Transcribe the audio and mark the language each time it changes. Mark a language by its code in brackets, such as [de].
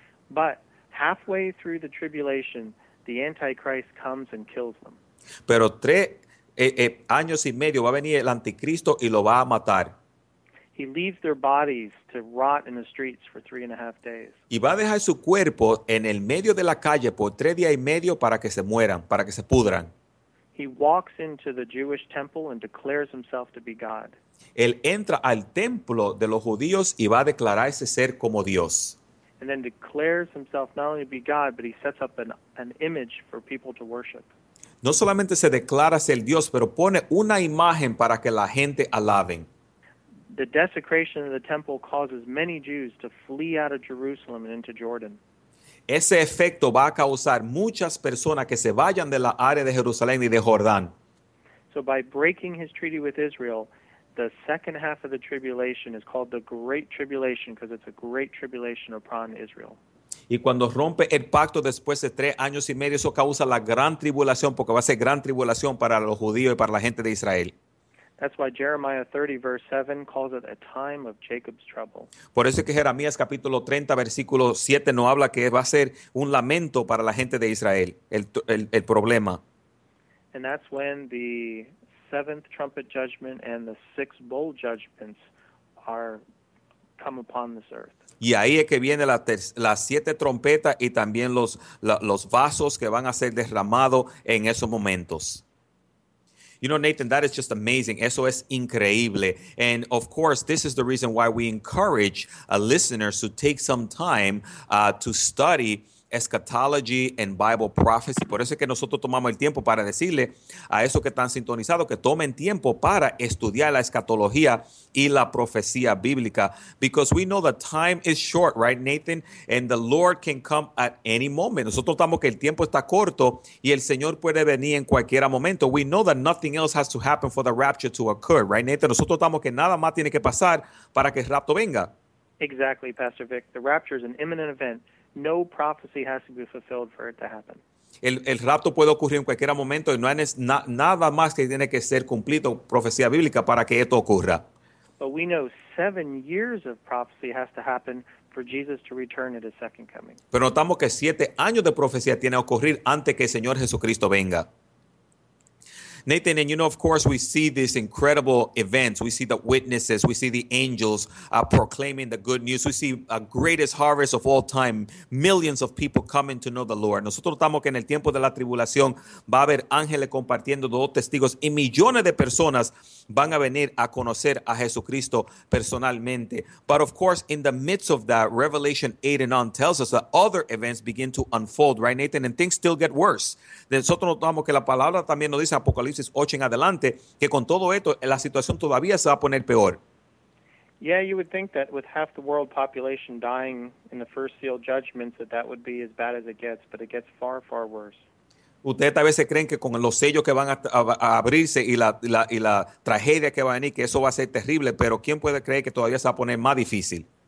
[en] But halfway through the tribulation, the Antichrist comes and kills them. [es] Pero 3 años y medio va a venir el anticristo y lo va a matar. [en] He leaves their bodies to rot in the streets for 3.5 days. [es] Y va a dejar su cuerpo en el medio de la calle por 3 días y medio para que se mueran, para que se pudran. [en] He walks into the Jewish temple and declares himself to be God. [es] Él entra al templo de los judíos y va a declararse ser como Dios. [en] And then declares himself not only to be God, but he sets up an image for people to worship. [es] No solamente se declara ser Dios, pero pone una imagen para que la gente alaben. [en] The desecration of the temple causes many Jews to flee out of Jerusalem and into Jordan. [es] Ese efecto va a causar muchas personas que se vayan de la área de Jerusalén y de Jordán. [en] So by breaking his treaty with Israel, the second half of the tribulation is called the Great Tribulation because it's a great tribulation upon Israel. [es] Y cuando rompe el pacto después de 3 años y medio, eso causa la gran tribulación porque va a ser gran tribulación para los judíos y para la gente de Israel. [en] That's why Jeremiah 30 verse 7 calls it a time of Jacob's trouble. [es] Por eso es que Jeremías capítulo 30 versículo 7 no habla que va a ser un lamento para la gente de Israel, el problema. [en] And that's when the seventh trumpet judgment and the six bowl judgments are come upon this earth. [es] Y ahí es que viene la siete trompeta y también los vasos que van a ser derramados en esos momentos. [en] You know, Nathan, that is just amazing. [es] Eso es increíble. [en] And of course, this is the reason why we encourage listeners to take some time to study eschatology and Bible prophecy. [es] Por eso es que nosotros tomamos el tiempo para decirle a esos que están sintonizados que tomen tiempo para estudiar la escatología y la profecía bíblica. [en] Because we know that time is short, right, Nathan? And the Lord can come at any moment. [es] Nosotros estamos que el tiempo está corto y el Señor puede venir en cualquier momento. [en] We know that nothing else has to happen for the rapture to occur, right, Nathan? [es] Nosotros estamos que nada más tiene que pasar para que el rapto venga. [en] Exactly, Pastor Vic. The rapture is an imminent event. No prophecy has to be fulfilled for it to happen. [es] El rapto puede ocurrir en cualquier momento y no hay nada más que tiene que ser cumplido profecía bíblica para que esto ocurra. [en] But we know 7 years of prophecy has to happen for Jesus to return at his second coming. [es] Pero notamos que 7 años de profecía tiene que ocurrir antes que el Señor Jesucristo venga. [en] Nathan, and you know, of course, we see these incredible events. We see the witnesses. We see the angels proclaiming the good news. We see a greatest harvest of all time. Millions of people coming to know the Lord. [es] Nosotros estamos que en el tiempo de la tribulación va a haber ángeles compartiendo dos testigos y millones de personas van a venir a conocer a Jesucristo personalmente. [en] But of course, in the midst of that, Revelation 8 and on tells us that other events begin to unfold, right, Nathan? And things still get worse. [es] Nosotros notamos que la palabra también nos dice Apocalipsis 8 en adelante, que con todo esto, la situación todavía se va a poner peor. [en] Yeah, you would think that with half the world population dying in the first seal judgments, that that would be as bad as it gets, but it gets far, far worse. [es] Ustedes tal vez se creen que con los sellos que van a abrirse y la tragedia que va a venir, que eso va a ser terrible, pero ¿quién puede creer que todavía se va a poner más difícil?